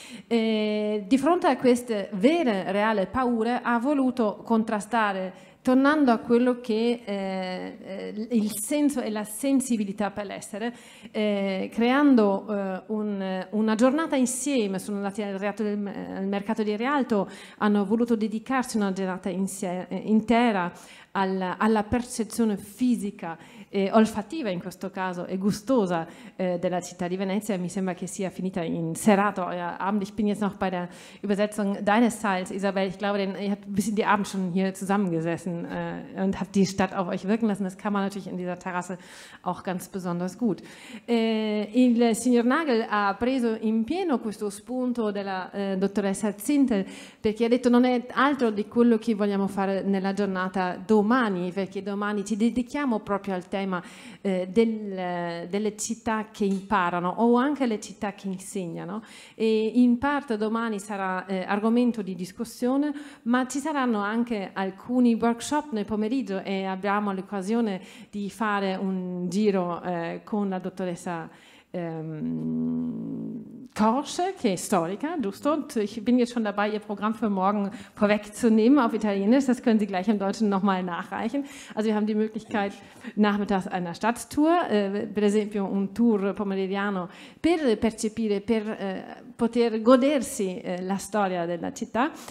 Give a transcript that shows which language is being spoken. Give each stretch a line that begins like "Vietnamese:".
Italian: Di fronte a queste vere, reali paure, ha voluto contrastare, tornando a quello che il senso e la sensibilità per l'essere, creando una giornata insieme, sono andati al mercato di Rialto, hanno voluto dedicarsi una giornata intera alla percezione fisica, olfattiva in questo caso, e gustosa della città di Venezia. Mi sembra che sia finita in serata, Abend.
German: Ich bin jetzt noch bei der Übersetzung deines Teils, Isabel. Ich glaube, ihr habt ein bisschen die Abend schon hier zusammengesessen und habt die Stadt auf euch wirken lassen. Das kann man natürlich in dieser Terrasse auch ganz besonders gut.
Italian: Il signor Nagel ha preso in pieno questo spunto della dottoressa Zintel, perché ha detto non è altro di quello che vogliamo fare nella giornata domani, perché domani ci dedichiamo proprio al tema delle città che imparano o anche le città che insegnano, e in parte domani sarà argomento di discussione, ma ci saranno anche alcuni workshop nel pomeriggio e abbiamo l'occasione di fare un giro con la dottoressa Korsch, che è storica, giusto?
German: Ich bin jetzt schon dabei, ihr Programm für morgen vorwegzunehmen auf Italienisch. Das können Sie gleich im Deutschen nochmal nachreichen. Also wir haben die Möglichkeit, nachmittags einer Stadttour,
Italian: per esempio un tour pomeridiano, per percepire, per poter godersi la storia della città.